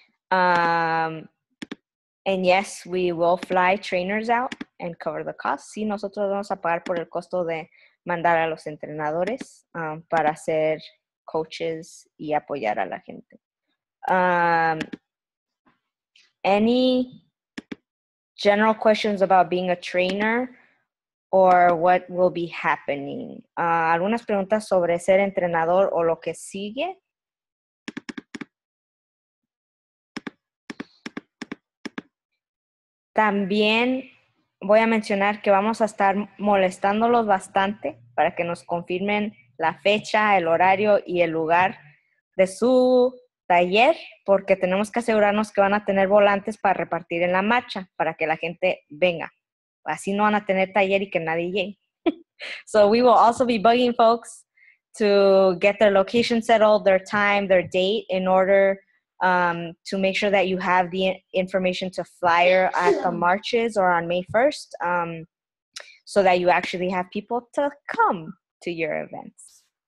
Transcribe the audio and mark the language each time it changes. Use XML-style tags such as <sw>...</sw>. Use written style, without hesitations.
<en>And yes, we will fly trainers out and cover the cost.</en> <es>Sí, nosotros vamos a pagar por el costo de mandar a los entrenadores para ser coaches y apoyar a la gente.</es> <en>Any general questions about being a trainer or what will be happening?</en> <es>¿Algunas preguntas sobre ser entrenador o lo que sigue? También voy a mencionar que vamos a estar molestándolos bastante para que nos confirmen la fecha, el horario y el lugar de su taller, porque tenemos que asegurarnos que van a tener volantes para repartir en la marcha, para que la gente venga. Así no van a tener taller y que nadie llegue.</es> <en>So we will also be bugging folks to get their location settled, their time, their date, in order to make sure that you have the information to flyer at the marches or on May 1st, so that you actually have people to come to your events.</en>